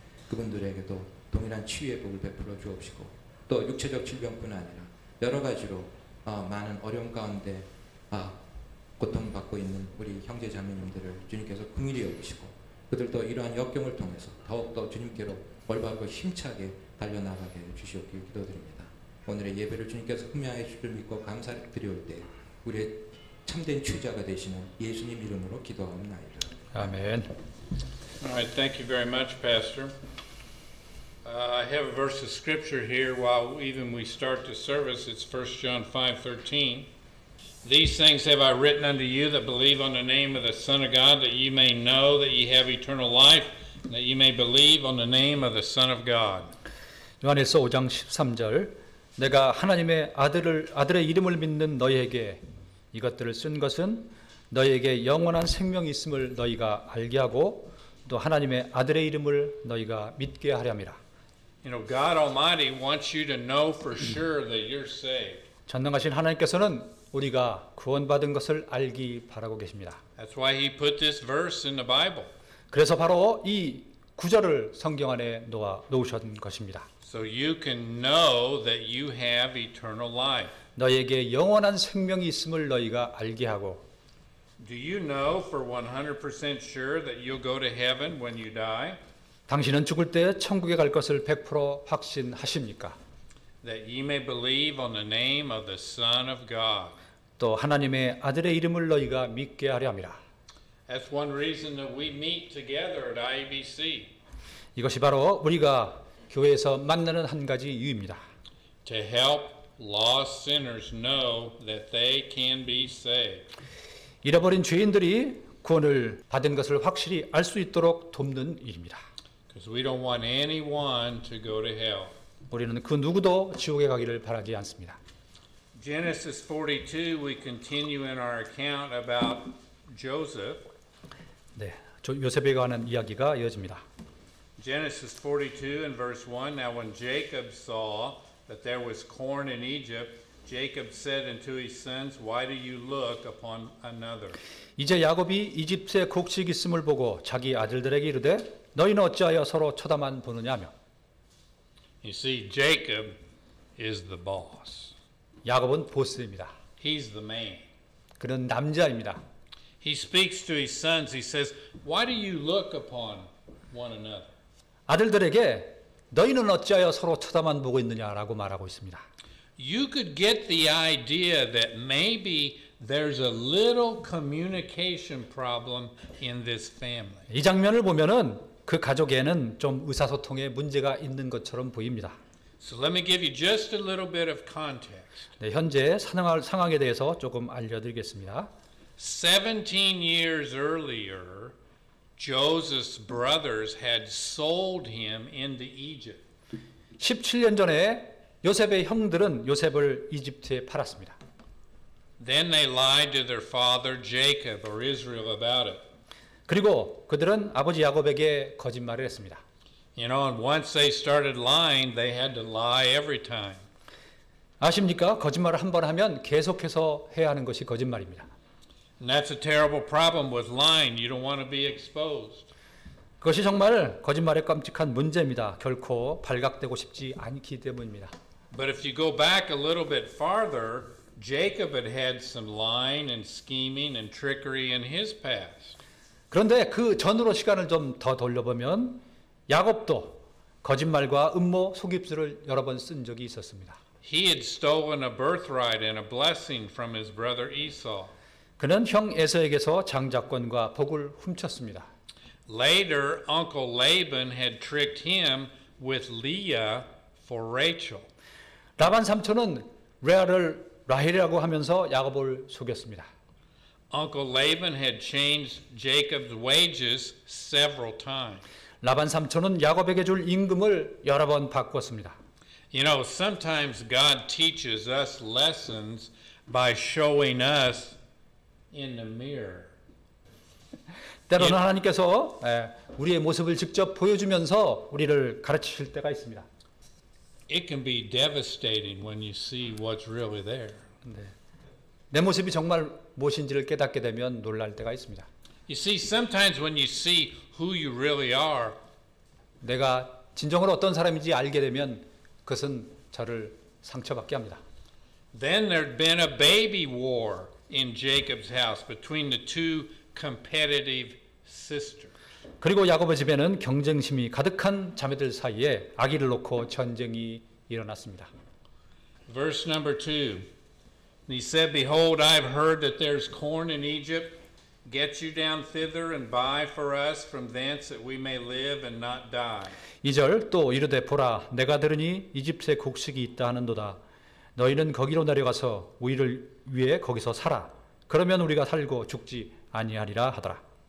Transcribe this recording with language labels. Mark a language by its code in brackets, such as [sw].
[ko] 그분들에게도 동일한 치유의 복을 베풀어 주옵시고 또 육체적 질병뿐 아니라 여러 가지로 많은 어려움 가운데 고통받고 있는 우리 형제 자매님들을 주님께서 긍휼히 여기시고 그들도 이러한 역경을 통해서 더욱더 주님께로 올바르고 힘차게 달려나가게 해주시옵길 기도드립니다. 오늘의 예배를 주님께서 흠양해 주실 줄 믿고 감사드려올 때 우리의 참된 주자가 되시는 예수님 이름으로 기도하옵나이다. 아멘. [en] Alright, thank you very much, Pastor. I have a verse of scripture here while even we start the service. It's 1 John 5:13. These things have I written unto you that believe on the name of the Son of God, that you may know that you have eternal life, that you may believe on the name of the Son of God. [ko] 요한일서 5장 13절 내가 하나님의 아들의 이름을 믿는 너희에게 이것들을 쓴 것은 너희에게 영원한 생명이 있음을 너희가 알게 하고 또 하나님의 아들의 이름을 너희가 믿게 하려 함이라. [en] You know, God Almighty wants you to know for sure that you're saved. [ko] 전능하신 하나님께서는 우리가 구원받은 것을 알기 바라고 계십니다. [en] That's why he put this verse in the Bible. [ko] 그래서 바로 이 구절을 성경 안에 놓으셨던 것입니다. [en] So you can know that you have eternal life. [ko] 너에게 영원한 생명이 있음을 너희가 알게 하고. [en] Do you know for 100% sure that you'll go to heaven when you die? [ko] 당신은 죽을 때 천국에 갈 것을 100% 확신하십니까? [en] That you may believe on the name of the Son of God. [ko] 또 하나님의 아들의 이름을 너희가 믿게 하려 함이라. [en] That's one reason that we meet together at IBC. [ko] 이것이 바로 우리가 교회에서 만나는 한 가지 이유입니다. [en] To help lost sinners know that they can be saved. [ko] 잃어버린 죄인들이 구원을 받은 것을 확실히 알 수 있도록 돕는 일입니다. [en] Because we don't want anyone to go to hell. [ko] 우리는 그 누구도 지옥에 가기를 바라지 않습니다. [en] Genesis 42, we continue in our account about Joseph. [ko] 네, 요셉에 관한 이야기가 이어집니다. [en] Genesis 42 and verse 1, Now when Jacob saw that there was corn in Egypt, Jacob said unto his sons, Why do you look upon another? [ko] 이제 야곱이 이집트에 곡식 있음을 보고 자기 아들들에게 이르되 너희는 어찌하여 서로 쳐다만 보느냐며. [en] You see, Jacob is the boss. [ko] 야곱은 보스입니다. [en] He's the man. [ko] 그는 남자입니다. [en] He speaks to his sons. He says, Why do you look upon one another? [ko] 아들들에게 너희는 어찌하여 서로 쳐다만 보고 있느냐라고 말하고 있습니다. [en] You could get the idea that maybe there's a little communication problem in this family. [ko] 이 장면을 보면은 그 가족에는 좀 의사소통에 문제가 있는 것처럼 보입니다. [en] So let me give you just a little bit of context. [ko] 네, 현재 상황에 대해서 조금 알려드리겠습니다. [en] 17 years earlier, Joseph's brothers had sold him into Egypt. [ko] 17년 전에 요셉의 형들은 요셉을 이집트에 팔았습니다. [en] Then they lied to their father Jacob or Israel about it. [ko] 그리고 그들은 아버지 야곱에게 거짓말을 했습니다. [en] You know, and once they started lying, they had to lie every time. [ko] 아십니까? 거짓말을 한 번 하면 계속해서 해야 하는 것이 거짓말입니다. [en] And that's a terrible problem with lying. You don't want to be exposed. [ko] 그것이 정말 거짓말의 끔찍한 문제입니다. 결코 발각되고 싶지 않기 때문입니다. [en] But if you go back a little bit farther, Jacob had had some lying and scheming and trickery in his past. [ko] 그런데 그 전으로 시간을 좀 더 돌려보면 야곱도 거짓말과 음모 속임수를 여러 번 쓴 적이 있었습니다. [en] He had stolen a birthright and a blessing from his brother Esau. [ko] 그는 형 에서에게서 장자권과 복을 훔쳤습니다. [en] Later, Uncle Laban had tricked him with Leah for Rachel. [ko] 라반 삼촌은 레아를 라헬이라고 하면서 야곱을 속였습니다. [en] Uncle Laban had changed Jacob's wages several times. [ko] 라반 삼촌은 야곱에게 줄 임금을 여러 번 바꿨습니다. [en] You know, sometimes God teaches us lessons by showing us in the mirror. [ko] 때로는 [en] you, [ko] 하나님께서 우리의 모습을 직접 보여주면서 우리를 가르치실 때가 있습니다. [en] It can be devastating when you see what's really there. [ko] 네. 내 모습이 정말 무엇인지를 깨닫게 되면 놀랄 때가 있습니다. [en] You see, sometimes when you see who you really are, [ko] 내가 진정으로 어떤 사람인지 알게 되면 그것은 저를 상처받게 합니다. [en] Then there'd been a baby war in Jacob's house between the two competitive sisters. [ko] 그리고 야곱의 집에는 경쟁심이 가득한 자매들 사이에 아기를 놓고 전쟁이 일어났습니다. [en] Verse number two. He said, "Behold, I've heard that there's corn in Egypt. Get you down thither and buy for us from thence that we may live and not die." [ko] 2절 또 이르되 보라 내가 들으니 이집트에 곡식이 있다 하는도다. 너희는 거기로 내려가서 우리를 위해 거기서 살아. 그러면 우리가 살고 죽지 아니하리라 하더라.